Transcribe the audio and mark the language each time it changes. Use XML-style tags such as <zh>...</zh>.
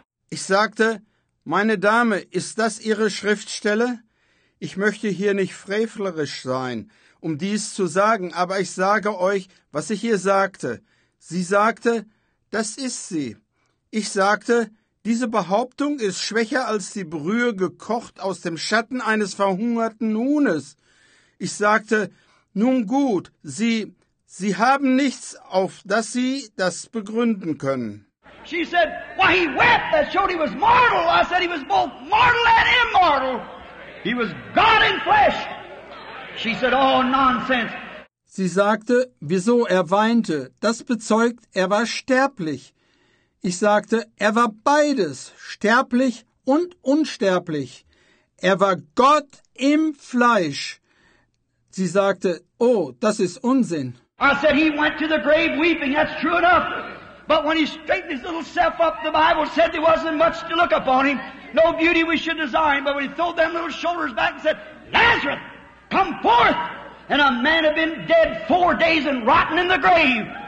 <de>Ich sagte, meine Dame, ist das Ihre Schriftstelle? Ich möchte hier nicht frevlerisch sein, um dies zu sagen, aber ich sage euch, was ich ihr sagte. Sie sagte, das ist sie. Ich sagte, diese Behauptung ist schwächer als die Brühe gekocht aus dem Schatten eines verhungerten Huhnes. Ich sagte, nun gut, Sie haben nichts, auf das Sie das begründen können.</de> <en>She said, why he wept, that showed he was mortal. I said, he was both mortal and immortal. He was God in flesh. She said, oh, nonsense.</en> <de>Sie sagte, wieso er weinte, das bezeugt, er war sterblich. Ich sagte, er war beides, sterblich und unsterblich. Er war Gott im Fleisch. Sie sagte, oh, das ist Unsinn.</de> <en>I said he went to the grave weeping, that's true enough. But when he straightened his little self up, the Bible said there wasn't much to look upon him. No beauty we should desire him. But when he threw them little shoulders back and said, Lazarus, come forth. And a man had been dead 4 days and rotten in the grave.</en>